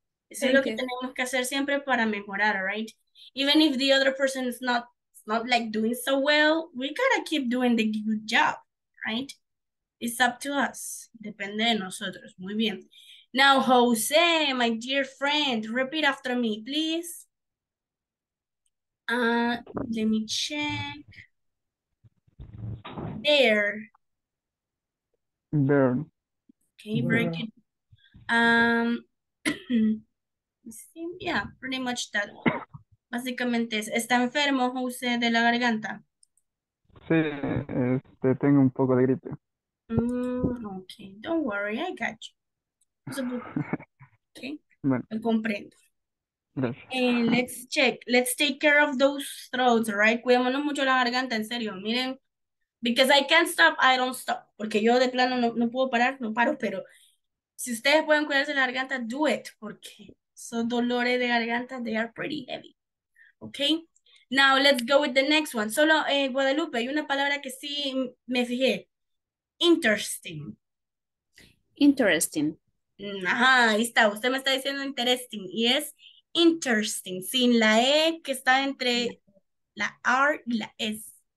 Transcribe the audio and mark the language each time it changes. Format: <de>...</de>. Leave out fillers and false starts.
<es>Eso es lo que tenemos que hacer siempre para mejorar, right?</es> <en>Even if the other person is not like doing so well, we gotta keep doing the good job, right? It's up to us.</en> <es>Depende de nosotros. Muy bien.</es> <en>Now, Jose, my dear friend, repeat after me, please. Let me check. There. There. Okay, very good. yeah, pretty much that.</en> <es>Básicamente, ¿está enfermo, Jose, de la garganta? Sí, tengo un poco de gripe.</es> <en>Okay, don't worry, I got you. Okay,</en> <es>bueno. Comprendo.</es> <en>Let's check. Let's take care of those throats, right?</en> <es>Cuidémonos mucho la garganta, en serio.</es> <en>Miren, because I can't stop, I don't stop.</en> <es>Porque yo de plano no puedo parar, no paro, pero si ustedes pueden cuidarse la garganta,</es> <en>do it.</en> <es>Porque son dolores de garganta,</es> <en>they are pretty heavy. Okay, now let's go with the next one.</en> <es>Solo, Guadalupe, hay una palabra que sí me fijé.</es> <en>Interesting. Interesting.</en> <es>Ajá, ahí está. Usted me está diciendo interesting. Y es interesting. Sin la E que está entre la R y la S.</es>